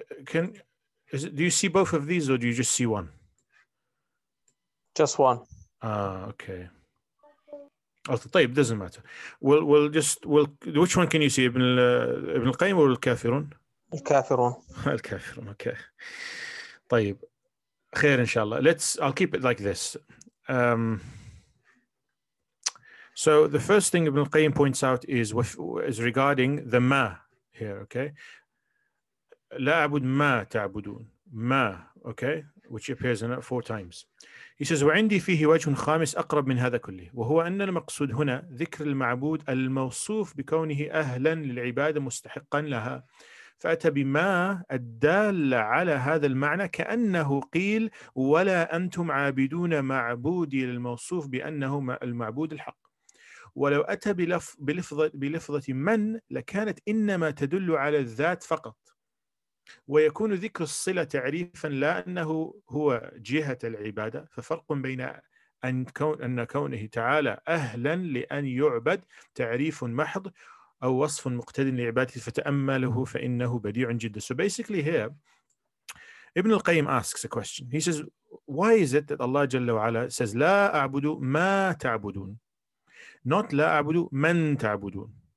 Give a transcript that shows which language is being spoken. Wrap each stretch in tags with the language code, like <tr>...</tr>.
<en>Do you see both of these, or do you just see one? Just one. Okay. Oh,</en> <ar>طيب,</ar> <en>doesn't matter. We'll which one can you see, Ibn al-Qayyim or al-Kafirun? Al-Kafirun. Al-Kafirun, okay.</en> <ar>طيب, خير inshallah.</ar> <en>I'll keep it like this. So the first thing Ibn al-Qayyim points out is regarding the ma here, okay?</en> <ar>La abud ma ta'budun.</ar> <en>Ma, okay? Which appears in it four times. He says,</en> <ar>وَعِنْدِي فِيهِ وَجْهٌ خَامِسْ أَقْرَبْ مِنْ هَذَا كُلِّهِ وَهُوَ أَنَّ الْمَقْصُودُ هُنَا ذِكْرِ الْمَعْبُودِ الْمَوْصُوفِ بِكَوْنِهِ أَهْلًا لِلْعِبَادَ مُسْتَحِقًّا لَهَا فَأَتَى بِمَا الدَّالَّ عَلَى هَذَا الْمَعْنَى كَأَنَّهُ قِيلْ وَلَا أَنْتُمْ عَابِدُونَ مَعْبُودِي الْمَوْصُوفِ بِأَنَّهُ الْمَعْبُودُ الْحَقِّ وَلَوْ أَتَى بِلِفْظَةِ مَنْ لَكَانَتْ إِنَّمَا تَدُلُّ عَلَى الذَّاتِ فَقَطْ ويكون ذكر الصلة تعريفا لا أنه هو جهة العبادة ففرق بين أن كونه تعالى أهلا لأن يعبد تعريف محض أو وصف مقتد لعبادته فتأمله فإنه بديع جدا.</ar> <en>So basically here Ibn al-Qayyim asks a question. He says, why is it that Allah جل وعلا says</en> <ar>لا أعبد ما تعبدون,</ar> <en>not</en> <ar>لا أعبد من تعبدون.</ar>